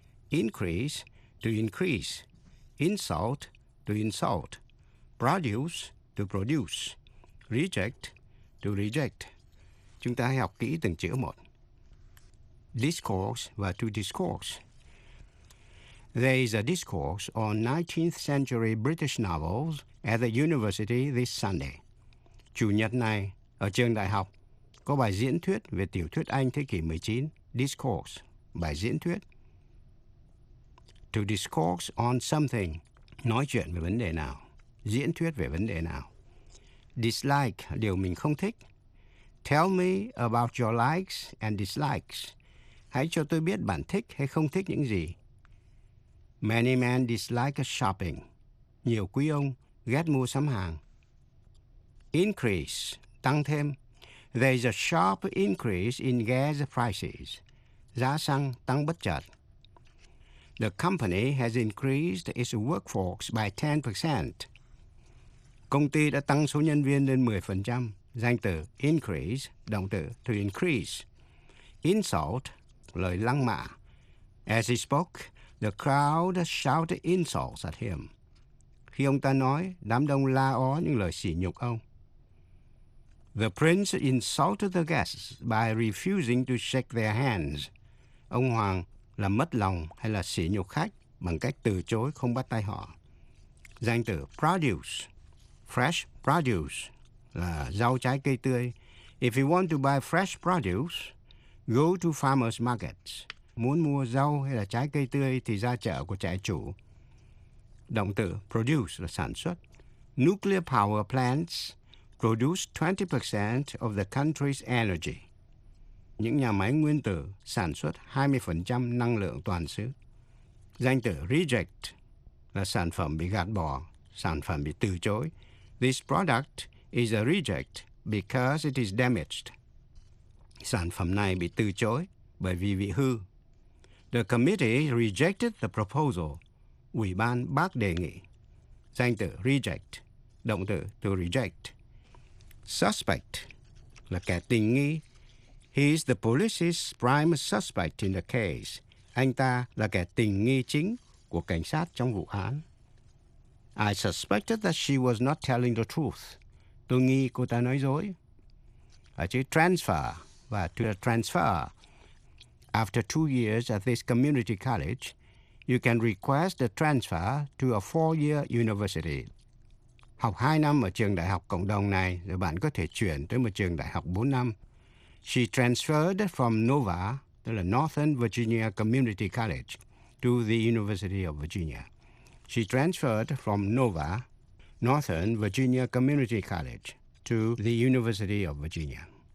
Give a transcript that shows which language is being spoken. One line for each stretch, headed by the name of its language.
English: Increase, to increase. Insult, to insult. Produce, to produce. Reject, to reject.
Vietnamese: Chúng ta hãy học kỹ từng chữ một. Discourse và to discourse.
English: There is a discourse on 19th century British novels at the university this Sunday.
Vietnamese: Chủ nhật này, ở trường đại học, có bài diễn thuyết về tiểu thuyết Anh thế kỷ 19. Discourse, bài diễn thuyết. To discourse on something, nói chuyện về vấn đề nào, diễn thuyết về vấn đề nào. Dislike, điều mình không thích.
English: Tell me about your likes and dislikes.
Vietnamese: Hãy cho tôi biết bạn thích hay không thích những gì.
English: Many men dislike shopping.
Vietnamese: Nhiều quý ông ghét mua sắm hàng. Increase, tăng thêm.
English: There's a sharp increase in gas prices.
Vietnamese: Giá xăng tăng bất chợt.
English: The company has increased its workforce by 10%.
Vietnamese: Công ty đã tăng số nhân viên lên 10%. Danh từ increase, động từ to increase. Insult, lời lăng mạ.
English: As he spoke, the crowd shouted insults at him.
Vietnamese: Khi ông ta nói, đám đông la ó những lời sỉ nhục ông.
English: The prince insulted the guests by refusing to shake their hands.
Vietnamese: Ông hoàng là mất lòng hay là sỉ nhục khách bằng cách từ chối không bắt tay họ. Danh từ produce, fresh produce, là rau trái cây tươi.
English: If you want to buy fresh produce, go to farmers markets.
Vietnamese: Muốn mua rau hay là trái cây tươi thì ra chợ của trại chủ. Động từ produce là sản xuất.
English: Nuclear power plants produce 20% of the country's energy.
Vietnamese: Những nhà máy nguyên tử sản xuất 20% năng lượng toàn xứ. Danh từ reject là sản phẩm bị gạt bỏ, sản phẩm bị từ chối.
English: This product is a reject because it is damaged.
Vietnamese: Sản phẩm này bị từ chối bởi vì bị hư.
English: The committee rejected the proposal.
Vietnamese: Ủy ban bác đề nghị. Danh từ reject, động từ to reject. Suspect là kẻ tình nghi.
English: He is the police's prime suspect in the case.
Vietnamese: Anh ta là kẻ tình nghi chính của cảnh sát trong vụ án.
English: I suspected that she was not telling the truth.
Vietnamese: Tôi nghi cô ta nói dối. Ở chữ transfer và to transfer.
English: After 2 years at this community college, you can request a transfer to a 4-year university.
Vietnamese: Học 2 năm ở trường đại học cộng đồng này, rồi bạn có thể chuyển tới một trường đại học 4 năm.
English: She transferred from NOVA,
Vietnamese: tức là
English: Northern Virginia Community College, to the University of Virginia. She transferred from NOVA, Northern Virginia Community College, to the University of Virginia.